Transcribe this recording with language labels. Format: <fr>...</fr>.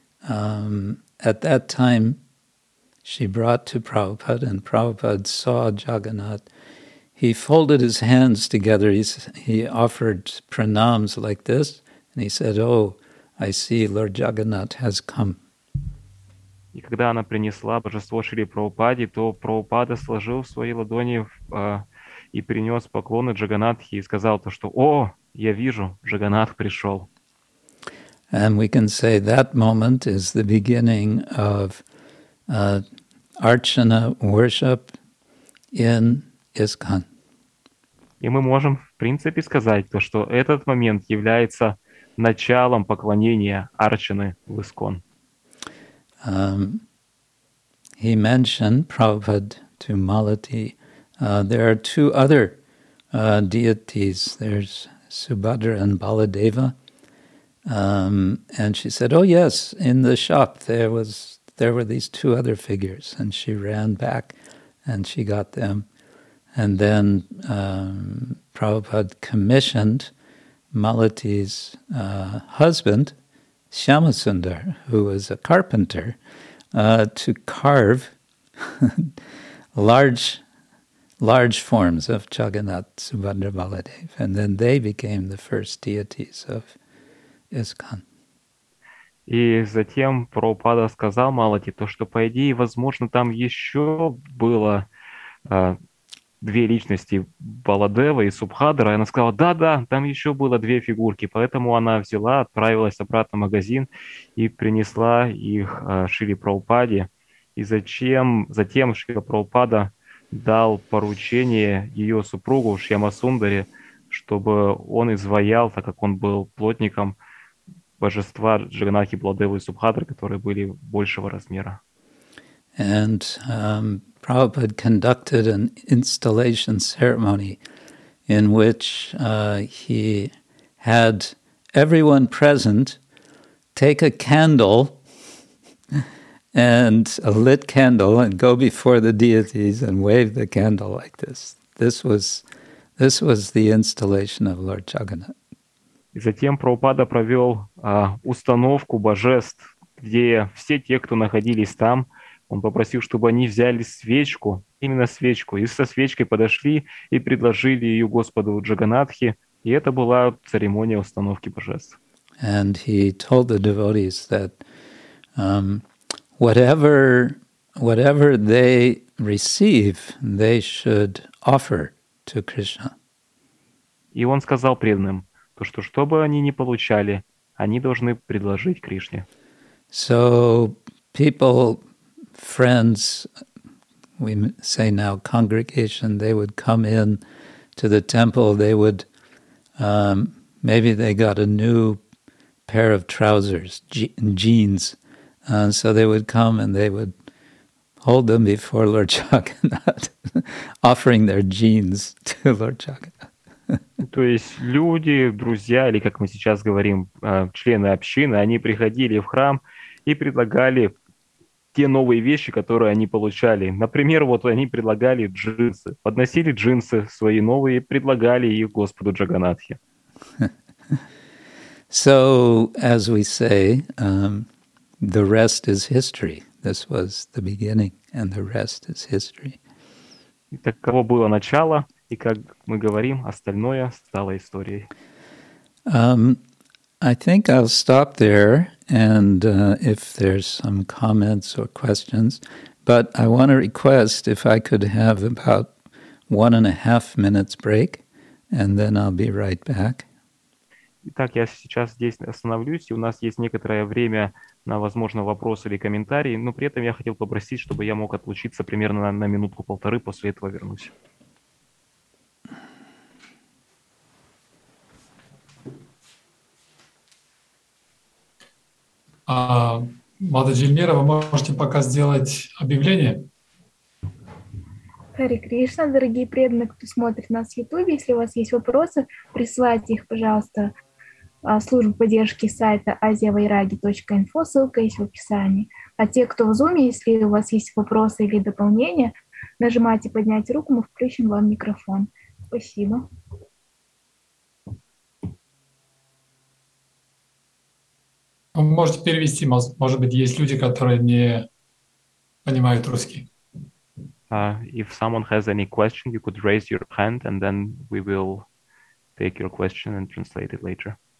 <en>At that time, she brought to Prabhupada, and Prabhupada saw Jagannath. He folded his hands together. He offered pranams like this, and he said, "Oh, I see Lord Jagannath has come."</en> <ru>И когда она принесла божество Шри Прабхупаде, то Прабхупада сложил свои ладони и принес поклоны Джаганатхе и сказал то, что «О, я вижу, Джаганатх пришел».</ru> <en>And we can say that moment is the beginning of Archana worship in ISKCON.</en> <ru>И мы можем, в принципе, сказать то, что этот момент является началом поклонения Арчаны в ISKCON.</ru> <en>He mentioned Prabhupada to Malati. There are two other deities. There's Subhadra and Baladeva. And she said, "Oh yes, in the shop there were these two other figures." And she ran back and she got them. And then Prabhupada commissioned Malati's husband, Shyamasundar, who was a carpenter, to carve large forms of Jagannath, Subhadra, Baladev, and then they became the first deities of ISKCON.</en> <ru>И затем Прабхупада сказал Малати то, что, по идее, возможно, там еще было две личности, Баладева и Субхадра, и она сказала, да-да, там еще было две фигурки, поэтому она взяла, отправилась обратно в магазин и принесла их Шри Прабхупаде. И затем Шри Прабхупада дал поручение ее супругу Шьямасундаре, чтобы он изваял, так как он был плотником, божества Джаганатхи, Баладева и Субхадра, которые были большего размера.</ru> <en>And Prabhupada conducted an installation ceremony in which he had everyone present take a candle and a lit candle and go before the deities and wave the candle like this. This was the installation of Lord Jagannath.</en> <ru>И затем Прабхупада провел установку божеств, где все те, кто находились там, он попросил, чтобы они взяли свечку, именно свечку, и со свечкой подошли и предложили ее Господу Джаганатхе. И это была церемония установки божеств.</ru> <en>And he told the devotees that whatever they receive, they should offer to Krishna.</en> <ru>И он сказал преданным, то, что бы они ни получали, они должны предложить Кришне.</ru> <en>So people, friends, we say now congregation, they would come in to the temple, they would, maybe they got a new pair of trousers, jeans, so they would come and they would hold them before Lord Jagannath, offering their jeans to Lord Jagannath.</en> <ru>То есть люди, друзья, или как мы сейчас говорим, члены общины, они приходили в храм и предлагали те новые вещи, которые они получали. Например, вот они предлагали джинсы, подносили джинсы свои новые и предлагали их Господу Джаганатхе.</ru> <en>So, as we say, the rest is history. This was the beginning, and the rest is history.</en> <ru>И таково было начало. И как мы говорим, остальное стало историей.</ru> <en>I think I'll stop there, and if there's some comments or questions, but I want to request if I could have about 1.5 minutes break, and then I'll be right back.</en> <ru>Итак, я сейчас здесь остановлюсь, и у нас есть некоторое время на, возможно, вопросы или комментарии, но при этом я хотел попросить, чтобы я мог отлучиться примерно на минутку-полторы, после этого вернусь. Мада Джильмира, вы можете пока сделать объявление? Харе Кришна, дорогие преданные, кто смотрит нас в Ютубе, если у вас есть вопросы, присылайте их, пожалуйста, службу поддержки сайта asiavairagi.info, ссылка есть в описании. А те, кто в Зуме, если у вас есть вопросы или дополнения, нажимайте «Поднять руку», мы включим вам микрофон. Спасибо. Вы можете перевести, может быть, есть люди, которые не понимают русский.</ru> <en>If someone has any question, you could raise your hand, and then we will take your question and translate it later.</en>